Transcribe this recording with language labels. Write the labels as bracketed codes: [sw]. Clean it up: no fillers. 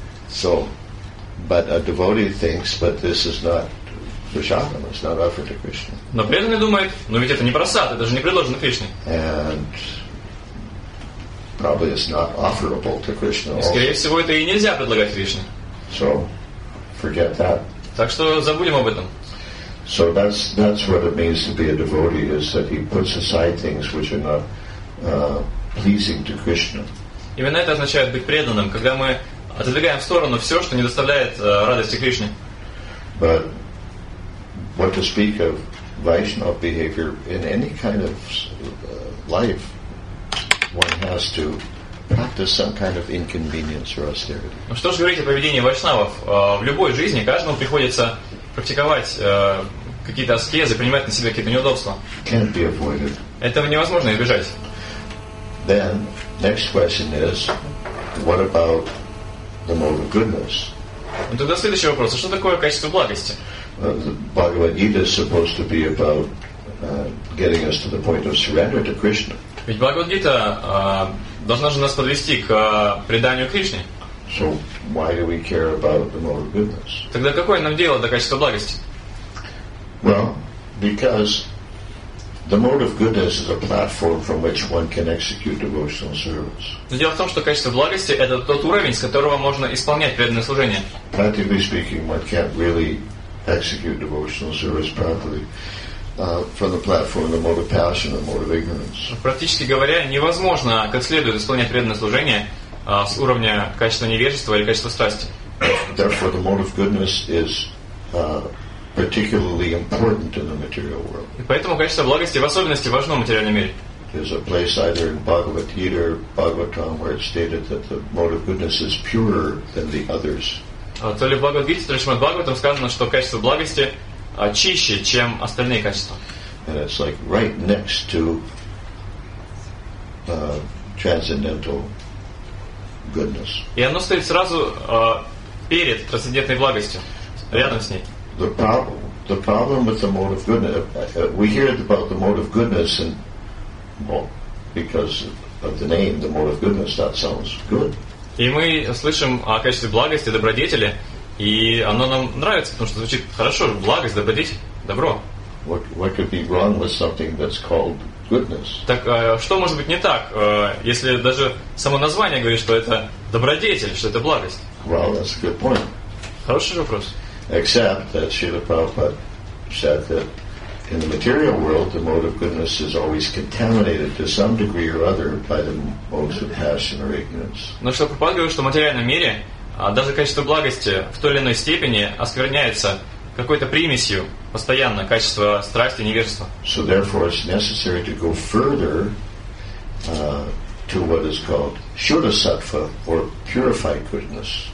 [en] So, but a devotee thinks, but this is not prasadam, it's not offered to Krishna. [ru] Но преданный думает, но ведь это не прасад, это же не предложено Кришне. [en] And probably it's not offerable to Krishna. [ru] И, скорее всего, это и нельзя предлагать Кришне. [en] So, forget that. [ru] Так что забудем об этом. [en] So that's what it means to be a devotee, is that he puts aside things which are not pleasing to Krishna. [ru] Именно это означает быть преданным, когда мы отодвигаем в сторону все, что не доставляет радости Кришне. [en] But what to speak of Vaishnava behavior in any kind of life, one has to practice some kind of inconvenience or austerity. [ru] Ну что же говорить о поведении вайшнавов? В любой жизни каждому приходится практиковать какие-то аскезы, принимать на себя какие-то неудобства. [en] Can't be avoided. [ru] Этого невозможно избежать. [en] Then, next question is, what about the mode of goodness? [ru] Ну, тогда следующий вопрос. А что такое качество благости? [en] Bhagavad-gita is supposed to be about getting us to the point of surrender to Krishna. [ru] Ведь Бхагавад-гита должна же нас подвести к преданию Кришне. [en] So why do we care about the mode of goodness? [ru] Тогда какое нам дело до качества благости? [en] Well, because the mode of goodness is a platform from which one can execute devotional service. [ru] Но дело в том, что качество благости это тот уровень, с которого можно исполнять преданное служение. [en] Practically speaking, one can't really execute devotional service properly from the platform, the mode of passion, the mode of ignorance. [ru] Практически говоря, невозможно как следует исполнять преданное служение с уровня качества невежества или качества страсти. [en] Therefore, the mode of goodness is particularly important in the material world. [ru] И поэтому качество благости в особенности важно в материальном мире. [en] There's a place either in Bhagavad Gita or Bhagavatam where it's stated that the mode of goodness is purer than the others. [ru] То ли в Бхагавад-гите, то ли в Шримад-Бхагаватам сказано, что качество благости чище, чем остальные качества. [en] And it's like right next to transcendental goodness. [ru] И оно стоит сразу перед трансцендентной благостью, рядом с ней. [en] The problem with the mode of goodness, we hear about the mode of goodness, and well, because of the name, the mode of goodness, that sounds good. [ru] И мы слышим о качестве благости, добродетели, и оно нам нравится, потому что звучит хорошо, благость, добродетель, добро. [en] What could be wrong with something that's called goodness? [ru] Так что может быть не так, если даже само название говорит, что это добродетель, что это благость? [en] Well, that's a good point. [ru] Хороший вопрос. [en] Except that Srila Prabhupada said that in the material world, the mode of goodness is always contaminated to some degree or other by the modes of passion or ignorance. [ru] Но что Прабхупада говорит, что в материальном мире даже качество благости в той или иной степени оскверняется какой-то примесью постоянно качества страсти и невежества. [en] So therefore, it's necessary to go further to what is called shuddha-sattva or purified goodness.